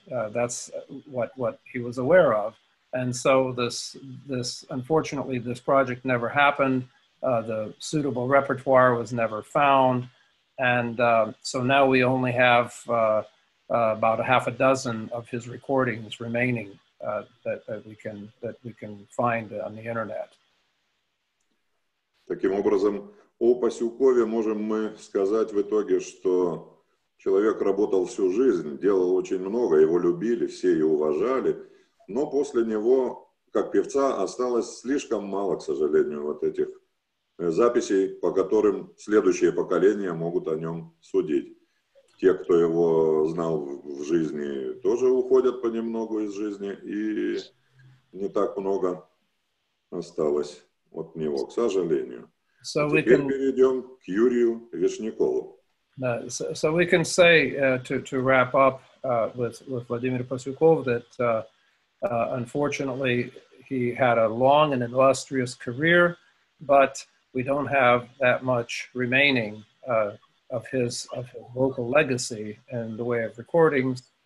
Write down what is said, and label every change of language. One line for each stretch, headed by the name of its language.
English: That's what he was aware of, and so this unfortunately this project never happened. The suitable repertoire was never found, and so now we only have about a half a dozen of his recordings remaining. That we can find on the internet.
Russian: Таким образом, о Пасюкове можем мы сказать в итоге, что человек работал всю жизнь, делал очень много, его любили, все и уважали, но после него, как певца, осталось слишком мало, к сожалению, вот этих записей, по которым следующие поколения могут о нем судить. Те, кто его знал в жизни, тоже уходят понемногу из жизни, и не так много осталось от него, к сожалению.
English: So
Russian: теперь
English: we can,
Russian: перейдем к Юрию Вишнякову.
English: So we can say to wrap up with Vladimir Pasyukov that unfortunately he had a long and illustrious career, but we don't have that much remaining of his vocal legacy in the way of recordings.